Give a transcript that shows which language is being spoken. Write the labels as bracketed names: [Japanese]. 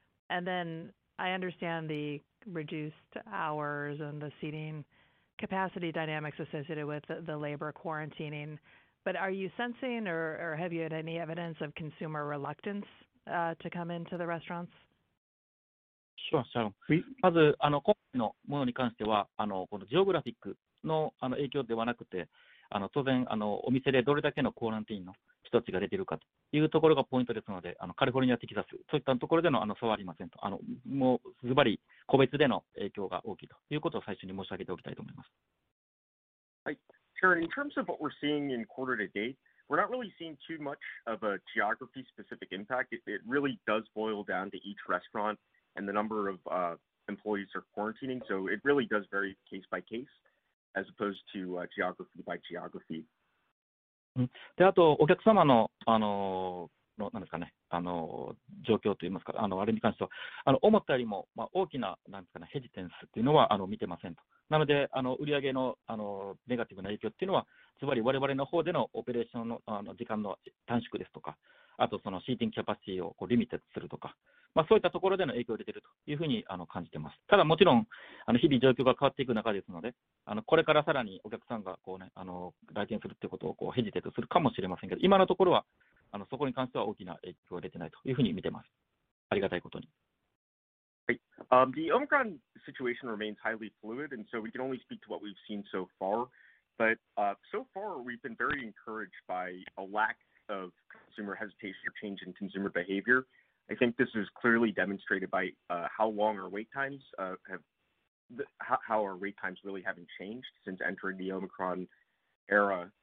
[English] And then I understand the reduced hours and the seating capacity dynamics associated with the labor quarantining, but are you sensing or have you had any evidence of consumer reluctance to come into the restaurants? Sure. [Japanese] まず、今回のものに関しては、このジオグラフィックの、影響ではなくて、当然、お店でどれだけのコーランティーンの人たちが出ているかというところがポイントですので、カリフォルニア、テキサス、そういったところでの、差はありませんと、もうズバリ個別での影響が大きいということを最初に申し上げておきたいと思います。はい。 [English] Sure. In terms of what we're seeing in quarter to date, we're not really seeing too much of a geography specific impact. It really does boil down to each restaurant and the number of employees are quarantining. So it really does vary case by case, as opposed to geography by geography. [Japanese] であとお客様の、なんですかね、状況といいますか、あれに関しては、思ったよりも、まあ、大きな、なんですかね、ヘジテンスというのは見てませんと。なので、売上の、ネガティブな影響というのは、つまり我々の方でのオペレーションの、時間の短縮ですとか、あとそのシーティングキャパシティをこうリミテッドするとか、まあ、そういったところでの影響が出ているというふうに感じています。ただもちろん日々状況が変わっていく中ですので、これからさらにお客さんがこう、ね、来店するということをこうヘジテッドするかもしれませんけど、今のところはそこに関しては大きな影響が出ていないというふうに見ています。ありがたいことに。はい。 [English] The Omicron situation remains highly fluid, and so we can only speak to what we've seen so far. But so far, we've been very encouraged by a lack of consumer hesitation or change in consumer behavior. I think this is clearly demonstrated by how long our wait times really haven't changed since entering the Omicron era.